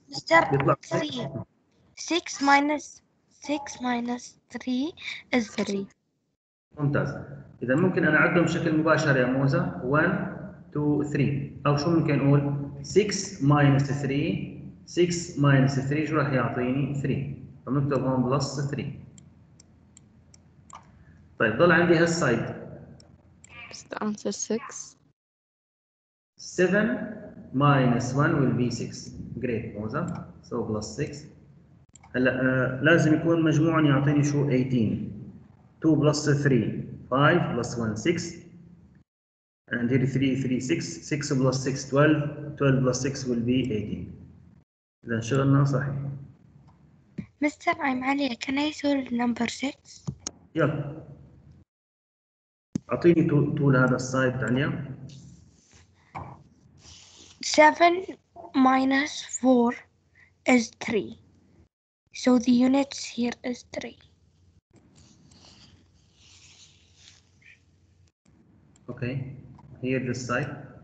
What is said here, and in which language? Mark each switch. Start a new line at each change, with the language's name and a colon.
English: Mister 6 minus 6 minus 3 is 3.
Arabic: ممتاز. إذا ممكن أنا أعدهم بشكل مباشر يا موسى 1 2 3 أو شو ممكن أقول
English: 6 minus 3 6 minus 3
Arabic: شو راح يعطيني 3 فبنكتب هون بلس 3. طيب ضل عندي هالسايد بس
English: the answer 6 7 minus 1 will be 6 great موسى so plus 6
Arabic: هلا لازم يكون مجموعا يعطيني شو
English: 18 2 plus 3 5 plus 1 6 and here 3 3 6 6 plus 6 12 12 plus 6 will be 18
Arabic: اذا شغلنا صحيح
English: mister عم علي can I solve number 6
Arabic: يلا اعطيني طول هذا السايد ثانيه
English: 7 minus 4 is 3 so the units here is 3 okay here this side